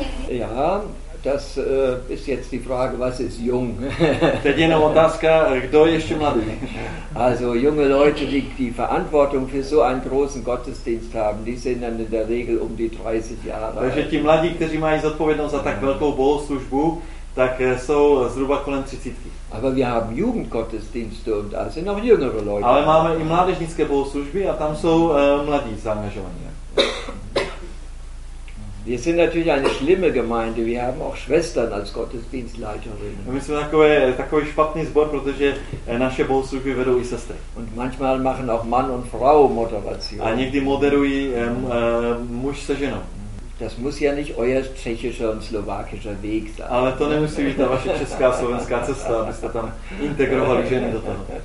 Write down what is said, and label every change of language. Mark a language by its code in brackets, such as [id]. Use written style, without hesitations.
[de] Ja, das ist jetzt die Frage, was ist jung? [cs] Teď je nám otázka, kdo je ještě mladý? [de] Also junge Leute, die Verantwortung für so einen großen Gottesdienst haben, die sind dann in der Regel um die 30 Jahre. [cs] Takže ti mladí, kteří mají zodpovědnost za tak velkou bohoslužbu, tak jsou zhruba kolem 30. [de] Aber wir haben Jugendgottesdienste und da sind noch jüngere Leute. [cs] Ale máme i mládežnické bohoslužby a tam jsou mladí zaměřovaní. [de] Wir sind natürlich eine schlimme Gemeinde. Wir haben auch Schwestern als Gottesdienstleiterinnen. [cs] My jsme takový špatný sbor, protože naše bohoslužby vedou i sestry. [de] Und manchmal machen auch Mann und Frau Moderation. [cs] A někdy moderují muž se ženou. [de] Das muss ja nicht euer tschechischer und slowakischer Weg sein. [cs] Ale to nemusí být ta vaše česká a slovenská cesta, abyste tam integrovali ženy do toho.